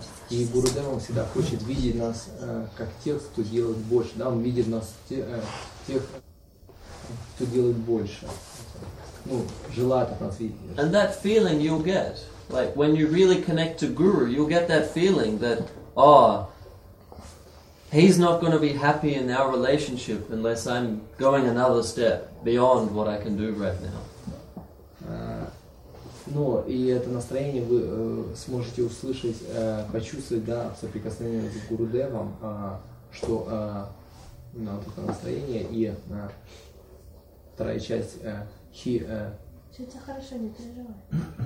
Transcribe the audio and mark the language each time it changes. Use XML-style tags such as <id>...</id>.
<ru>И Гурудев всегда хочет видеть нас как тех, кто делает больше. Да, он видит нас тех, кто делает больше. Ну, желает от нас видеть.</ru> <en>And that feeling you'll get, like when you really connect to Guru, you'll get that feeling that, oh, he's not going to be happy in our relationship unless I'm going another step beyond what I can do right now.</en> <ru>Ну, и это настроение вы сможете услышать, почувствовать, да, в соприкосновении с Гурудевом, что на вот это настроение и вторая часть he Все тебя хорошо, не переживай.</ru>